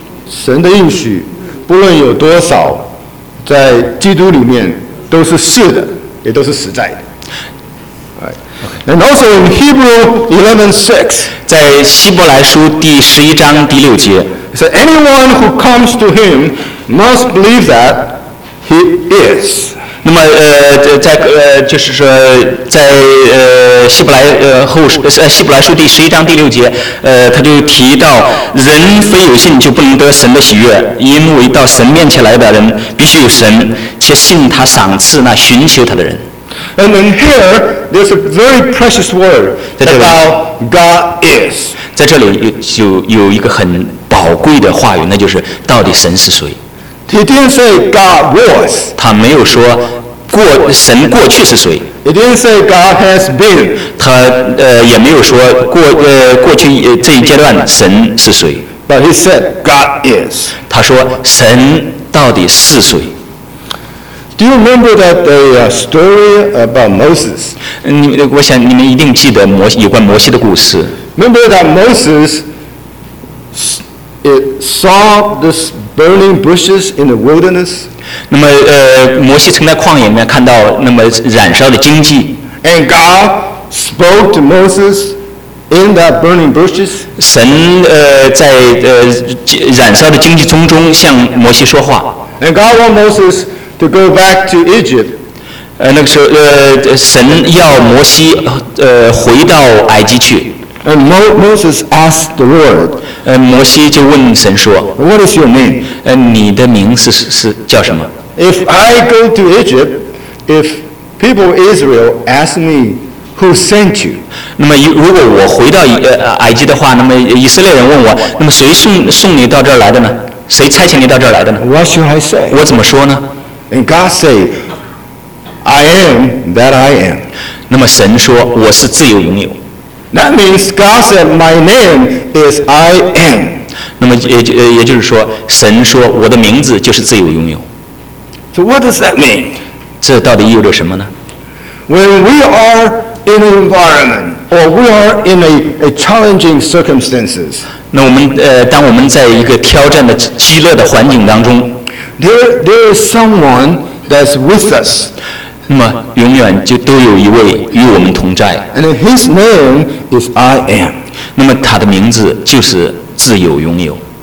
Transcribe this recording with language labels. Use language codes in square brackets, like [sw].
[zh] 神的应许不论有多少，在基督里面都是是的，也都是实在的。 [en] Right. And also in Hebrews 11:6, [zh] 在希伯来书第十一章第六节 [en] ，So anyone who comes to him must believe that he is. [zh] 那么在就是说在希伯来后希伯来书第十一章第六节，他就提到人非有信就不能得神的喜悦，因为到神面前来的人必须有神，且信他赏赐那寻求他的人。 [en] And in here, there's a very precious word about God is. [zh] 在这里有一个很宝贵的话语，那就是到底神是谁。 [en] He didn't say God was. [zh] 他没有说神过去是谁。 [en] He didn't say God has been. [zh] 他也没有说过去这一阶段神是谁。 [en] But he said God is. [zh] 他说神到底是谁。 [en] Do you remember that the story about Moses? [zh] 我想你们一定记得有关摩西的故事。 [en] Remember that Moses saw this burning bushes in the wilderness? [zh] 那么摩西曾在旷野里面看到那么燃烧的荆棘。 [en] And God spoke to Moses in that burning bushes? [zh] 神在燃烧的荆棘中向摩西说话。 [en] And God warned Moses. To go back to Egypt. [zh] 那个时候，神要摩西回到埃及去。 [en] And Moses asked the Lord. [zh] 摩西就问神说 [en] ，What is your name? [zh] 你的名是叫什么 [en] ？If I go to Egypt, if people of Israel ask me who sent you, [zh] 那么如果我回到埃及的话，那么以色列人问我，那么谁送你到这儿来的呢？谁差遣你到这儿来的呢 [en] ？What should I say? [zh] 我怎么说呢？ [en] And God said, "I am that I am." [zh] 那么神说，我是自由拥有。 [en] That means God said, "My name is I am." [zh] 那么也就是说，神说我的名字就是自由拥有。 [en] So what does that mean? [zh] 这到底意味着什么呢 [en] ？When we are in an environment or we are in a challenging circumstances, [zh] 那我们当我们在一个挑战的饥饿的环境当中。 [en] There is someone that's with us. [zh] 那么永远就都有一位与我们同在。 [en] And his name is I am. [zh] 那么他的名字就是自由拥有。